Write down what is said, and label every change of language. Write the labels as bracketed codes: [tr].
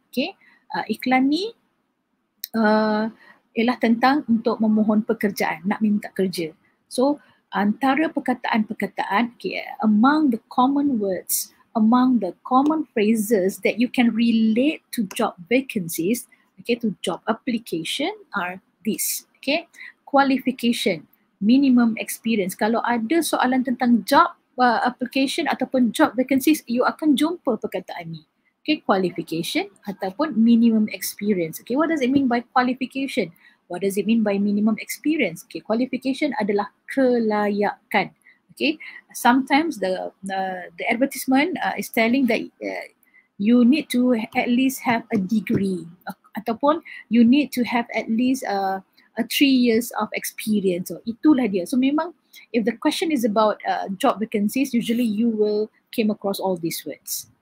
[ms] Okay, iklan ni ialah tentang untuk memohon pekerjaan, nak minta kerja. [en] So [ms] antara perkataan-perkataan, [en] okay, among the common words, among the common phrases that you can relate to job vacancies, okay, to job application are this. Okay, qualification, minimum experience. [ms] Kalau ada soalan tentang job application ataupun job vacancies, you akan jumpa perkataan ni. [en] Okay, qualification [ms] ataupun [en] minimum experience. Okay, what does it mean by qualification? What does it mean by minimum experience? [ms] Okay, qualification adalah kelayakan. [en] Okay, sometimes the advertisement is telling that you need to at least have a degree [ms] ataupun [en] you need to have at least a 3 years of experience. [ms] So itulah dia. [en] So [ms] memang [en] if the question is about job vacancies, usually you will came across all these words.